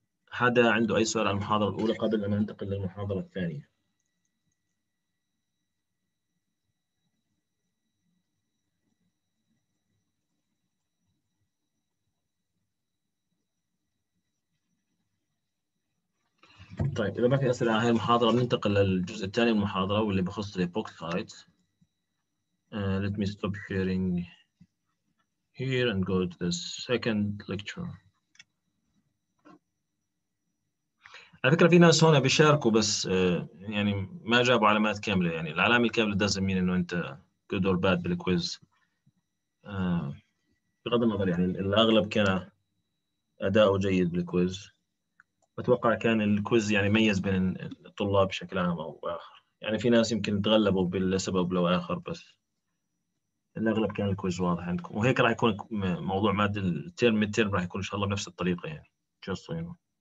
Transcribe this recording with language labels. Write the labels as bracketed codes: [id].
[ar] حدا عنده أي سؤال عن المحاضرة الأولى قبل أن ننتقل للمحاضرة الثانية؟ طيب إذا ما في أسئلة عن هذه المحاضرة ننتقل للجزء الثاني من المحاضرة واللي بخص الإيبوكس كارت. [en] Let me stop sharing here and go to the second lecture. [ar] على فكرة في ناس هنا بيشاركوا بس يعني ما جابوا علامات كاملة، يعني العلامة الكاملة [en] doesn't mean [ar] إنه أنت [en] good or bad [ar] بالكويز. بغض النظر يعني الأغلب كان أداؤه جيد بالكويز، أتوقع كان الكويز يعني ميز بين الطلاب بشكل عام أو آخر، يعني في ناس يمكن تغلبوا بالسبب لو آخر بس الأغلب كان الكويز واضح عندكم، وهيك راح يكون موضوع مادة الترم الترم راح يكون إن شاء الله بنفس الطريقة يعني [en] just so you know.